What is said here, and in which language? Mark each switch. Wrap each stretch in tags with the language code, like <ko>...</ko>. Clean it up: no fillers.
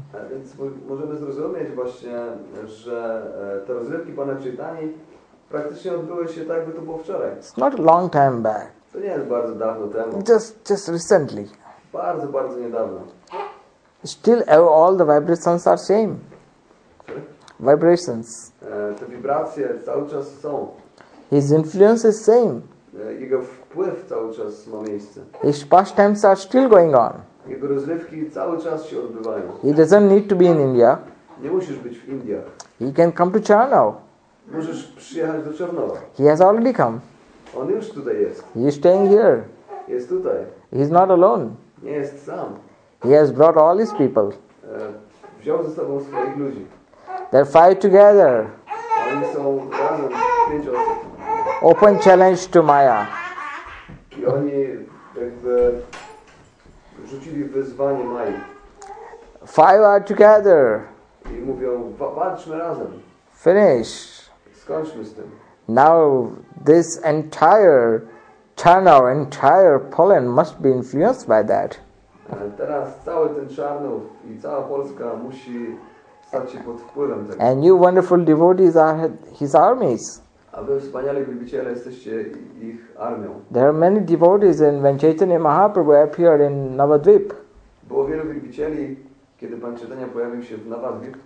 <pl>Więc możemy zrozumieć właśnie, że te rozrywki pana Chaitanyi praktycznie odbyły się tak, jakby to było wczoraj.</pl> <en>It's not a long time back.</en> <pl>To nie jest bardzo dawno temu.</pl> <en>Just recently.</en> <pl>Bardzo, bardzo niedawno.</pl> <en>Still all the vibrations are same. Sorry? Vibrations.</en> <pl>Te wibracje cały czas są.</pl> <en>His influence is same.</en> <pl>Jego wpływ cały czas ma miejsce.</pl> <en>His pastimes are still going on.</en> <pl>Jego rozrywki cały czas się odbywają.</pl> <en>He doesn't need to be in India.</en> <pl>Nie musisz być w Indiach.</pl> <en>He can come to Charno.</en> <pl>Możesz przyjechać do Czarnowa.</pl> <en>He has already come.</en> <pl>On już tutaj jest.</pl> <en>He is staying here.</en> <pl>Jest tutaj.</pl> <en>He is not alone.</en> <pl>Nie jest sam.</pl> <en>He has brought all his people.</en> <pl>Wziął ze sobą swoich ludzi.</pl> <en>They fight together.</en> <pl>Oni są razem, pięć osób.</pl> <en>Open challenge to Maya.</en> <pl>I oni jakby rzucili wyzwanie Maji.</pl> <en>Five are together.</en> <pl>I mówią, walczmy razem.</pl> <en>Finish.</en> <pl>Skończmy z tym.</pl> <en>Now this entire Czarno, entire Poland must be influenced by that.</en> <pl>Teraz cały ten Czarno i cała Polska musi stać się pod wpływem tego.</pl> <en>And you wonderful devotees are his armies.</en> <pl>A wy wspaniali wybiciele jesteście ich armią.</pl> <en>There are many devotees and when Chaitanya Mahaprabhu appeared in Navadvip.</en> <pl>Było wielu wybicieli, kiedy pan Chaitanya pojawił się w Navadvip.</pl>